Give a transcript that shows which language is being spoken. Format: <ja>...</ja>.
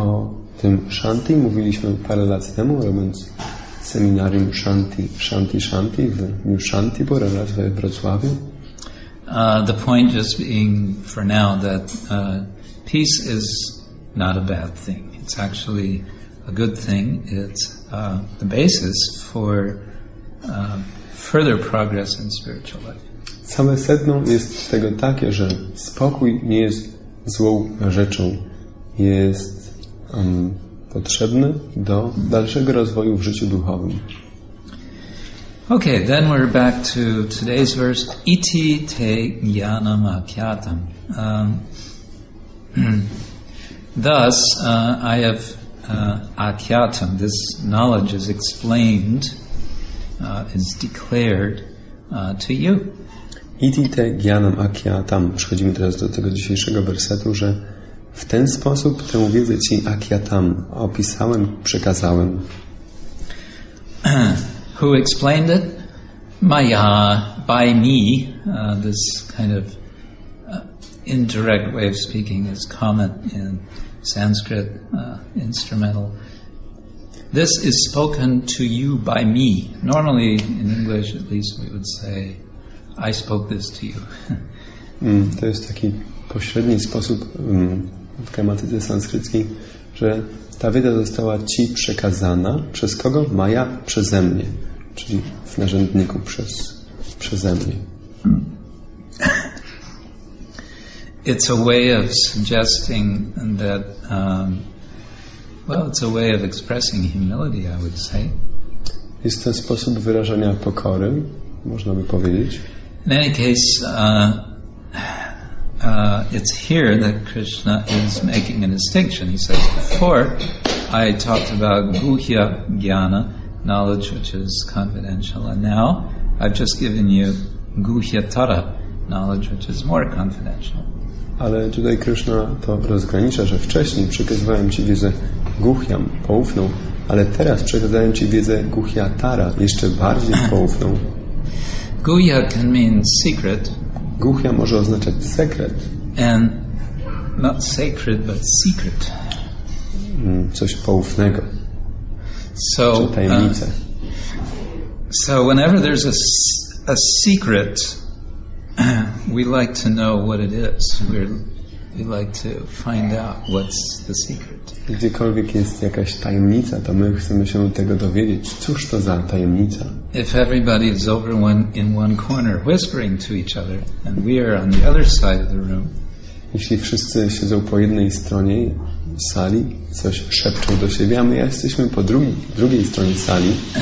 <pl>O tym Shanti mówiliśmy parę lat temu, robiąc seminarium Shanti, Shanti, Shanti w New Shantipur oraz we Wrocławiu.</pl> <en>The point just being for now that peace is not a bad thing. It's actually a good thing. It's the basis for further progress in spiritual life.</en> <pl>Same sedno jest tego takie, że spokój nie jest złą rzeczą. Jest potrzebny do dalszego rozwoju w życiu duchowym.</pl> <en>Okay, then we're back to today's verse.</en> <sa>Iti te jnanam akhyatam.</sa> <en>Thus, I have akhyatam. This knowledge is explained, is declared to you.</en> <sa>Iti te jnanam akhyatam.</sa> <pl>Przechodzimy teraz do tego dzisiejszego wersetu, że w ten sposób tę wiedzę ci akhyatam opisałem, przekazałem.</pl> <en>Who explained it? Maya, by me. This kind of indirect way of speaking is common in Sanskrit instrumental. This is spoken to you by me. Normally, in English at least, we would say, I spoke this to you.</en> <pl>To jest taki pośredni sposób w gramatyce sanskryckiej, że ta wiedza została ci przekazana przez kogo? Maja, przeze mnie. Czyli w narzędniku przeze mnie.</pl> <en>It's a way of suggesting that it's a way of expressing humility, I would say.</en> <pl>Jest to sposób wyrażania pokory, można by powiedzieć.</pl> <en>In any case, it's here that Krishna is making a distinction. He says, before I talked about guhya jnana, knowledge which is confidential, and now I've just given you guhya tara, knowledge which is more confidential.</en> <pl>Ale tutaj Krishna to rozgranicza, że wcześniej przekazywałem ci wiedzę guhyam, poufną, ale teraz przekazałem ci wiedzę guhya tara, jeszcze bardziej poufną.</pl> <en>Guhya can mean secret.</en> <pl>Guhya może oznaczać sekret.</pl> <en>And not sacred, but secret.</en> <pl>Coś poufnego.</pl> <en>So,</en> <pl>tajemnice.</pl> <en>So whenever there's a secret, we like to know what it is. We like to find out what's the secret.</en> <pl>Gdziekolwiek jest jakaś tajemnica, to my chcemy się tego dowiedzieć. Cóż to za tajemnica?</pl> <en>If everybody is over in one corner whispering to each other and we are on the other side of the room.</en> <pl>Jeśli wszyscy siedzą po jednej stronie sali, coś szepczą do siebie, a my jesteśmy po drugiej stronie sali.</pl>